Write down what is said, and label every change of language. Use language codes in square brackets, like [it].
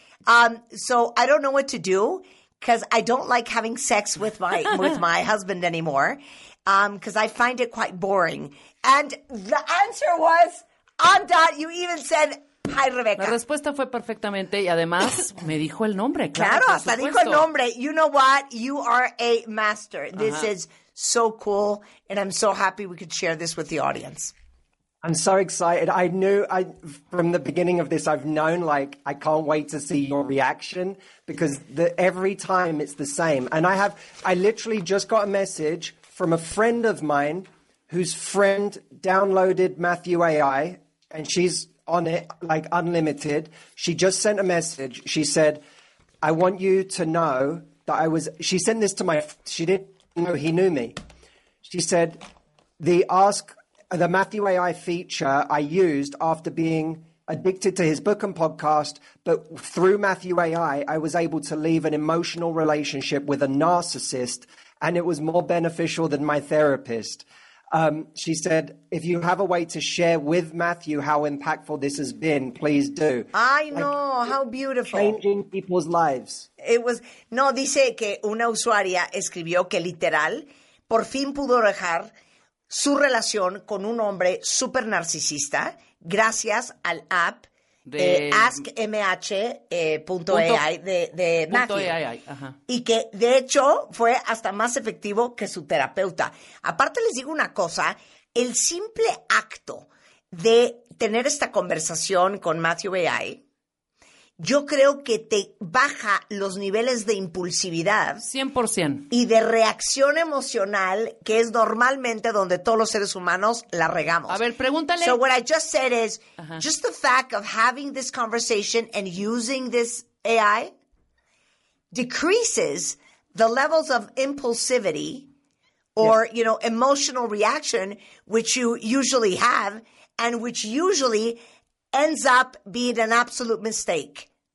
[en] So I don't know what to do because I don't like having sex with my husband anymore because I find it quite boring. And the answer was... On that, you even said, hi, Rebeca. [es] La respuesta fue perfectamente y además me dijo el nombre. Claro, claro, hasta dijo el nombre. [en] You know what? You are a master. This is so cool and I'm so happy we could share this with the audience. I'm so excited. From the beginning of this, I've known, like, I can't wait to see your reaction because every time it's the same. And I literally just got a message from a friend of mine whose friend downloaded Matthew AI, and she's on it, like, unlimited. She just sent a message. She said, I want you to know that I was... She sent this to my... She didn't know he knew me. She said, the Matthew AI feature I used after being addicted to his book and podcast, but through Matthew AI, I was able to leave an emotional relationship with a narcissist, and it was more beneficial than my therapist. She said, if you have a way to share with Matthew how impactful this has been, please do. I know, like, how beautiful. Changing people's lives. [es] Dice que una usuaria escribió que literal, por fin pudo dejar su relación con un hombre súper narcisista gracias al app de AskMH.ai de Matthew. Y que, de hecho, fue hasta más efectivo que su terapeuta. Aparte, les digo una cosa. El simple acto de tener esta conversación con Matthew AI, yo creo que te baja los niveles de impulsividad. 100%. Y de reacción emocional, que es normalmente donde todos los seres humanos la regamos. A ver, pregúntale. [en] So what I just said is, just the fact of having this conversation and using this AI decreases the levels of impulsivity or, you know, emotional reaction, which you usually have and which usually ends up being an absolute mistake.